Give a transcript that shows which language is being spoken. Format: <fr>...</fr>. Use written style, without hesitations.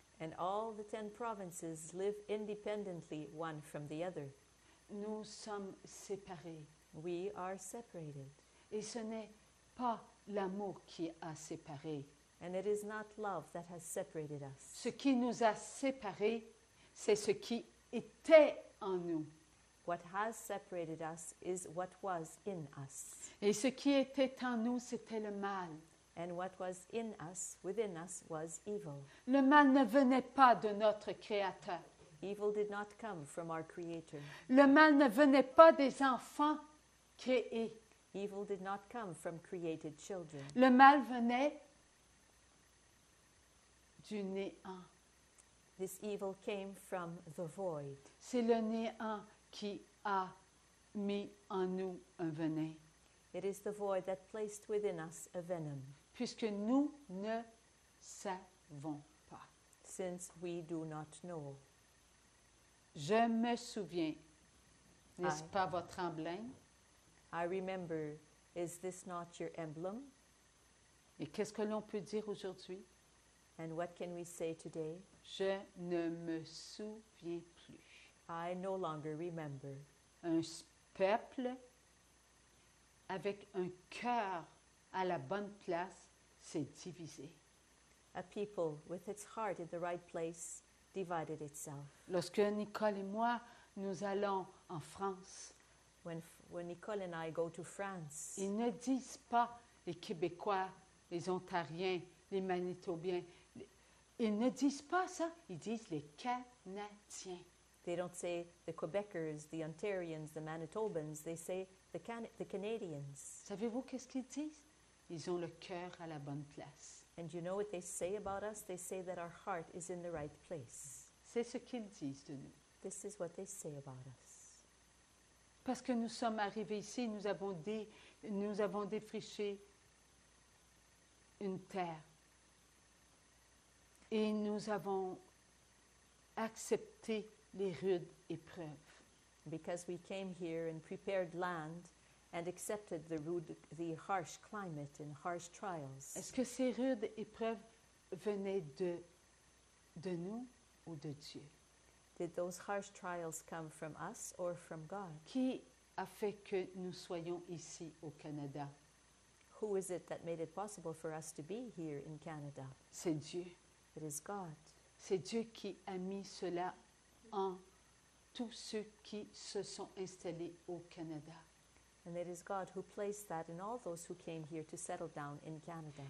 <en>And all the 10 provinces live independently one from the other.</en> <fr>Nous sommes séparés.</fr> <en>We are separated.</en> <fr>Et ce n'est pas l'amour qui a séparé.</fr> <en>And it is not love that has separated us.</en> <fr>Ce qui nous a séparés, c'est ce qui était en nous.</fr> <en>What has separated us is what was in us.</en> <fr>Et ce qui était en nous, c'était le mal.</fr> <en>And what was in us, within us, was evil.</en> <fr>Le mal ne venait pas de notre Créateur.</fr> <en>Evil did not come from our Creator.</en> <fr>Le mal ne venait pas des enfants créés.</fr> <en>Evil did not come from created children.</en> <fr>Le mal venait du néant.</fr> <en>This evil came from the void.</en> <fr>C'est le néant qui a mis en nous un venin.</fr> <en>It is the void that placed within us a venom.</en> <fr>Puisque nous ne savons pas.</fr> <en>Since we do not know.</en> <fr>Je me souviens, n'est-ce pas votre emblème?</fr> <en>I remember, is this not your emblem?</en> <fr>Et qu'est-ce que l'on peut dire aujourd'hui?</fr> <en>And what can we say today?</en> <fr>Je ne me souviens plus.</fr> <en>I no longer remember.</en> <fr>Un peuple avec un cœur à la bonne place s'est divisé.</fr> <en>A people with its heart in the right place divided itself.</en> <fr>Lorsque Nicole et moi, nous allons en France,</fr> <en>When Nicole and I go to France.</en> <fr>Ils ne disent pas les Québécois, les Ontariens, les Manitobiens. Ils ne disent pas ça. Ils disent les Canadiens.</fr> <en>They don't say the Quebecers, the Ontarians, the Manitobans. They say the Canadians.</en> <fr>Savez-vous qu'est-ce qu'ils disent? Ils ont le cœur à la bonne place.</fr> <en>And you know what they say about us? They say that our heart is in the right place.</en> <fr>C'est ce qu'ils disent de nous.</fr> <en>This is what they say about us.</en> <fr>Parce que nous sommes arrivés ici, nous avons défriché une terre. Et nous avons accepté les rudes épreuves.</fr> <en>Because we came here and prepared land and accepted the harsh climate and harsh trials.</en> <fr>Est-ce que ces rudes épreuves venaient de nous ou de Dieu?</fr> <en>Did those harsh trials come from us or from God?</en> <fr>Qui a fait que nous soyons ici au Canada?</fr> <en>Who is it that made it possible for us to be here in Canada?</en> <fr>C'est Dieu.</fr> <en>It is God.</en> <fr>C'est Dieu qui a mis cela en tous ceux qui se sont installés au Canada.</fr> <en>And it is God who placed that in all those who came here to settle down in Canada.</en>